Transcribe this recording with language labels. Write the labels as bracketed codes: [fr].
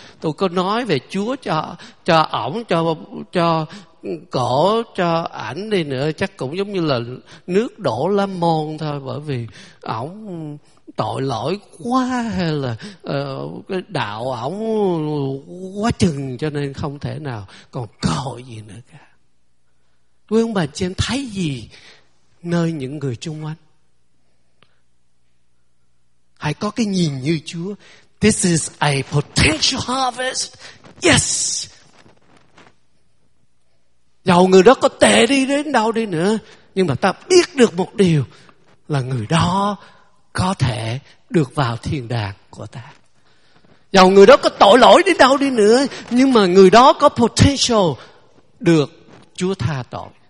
[vi] Tôi có nói về Chúa cho ổng, cho cổ, cho ảnh đi nữa, chắc cũng giống như là nước đổ lá môn thôi, bởi vì ổng tội lỗi quá, hay là cái đạo ổng quá chừng, cho nên không thể nào còn cơ hội gì nữa cả. Quý ông bà chị em thấy gì nơi những người chung quanh? Hãy có cái nhìn như Chúa. [en] This is a potential harvest. Yes. [vi] Dầu người đó có tệ đi đến đâu đi nữa, nhưng mà ta biết được một điều là người đó có thể được vào thiên đàng của ta. Dầu người đó có tội lỗi đến đâu đi nữa, nhưng mà người đó có potential được Chúa tha tội.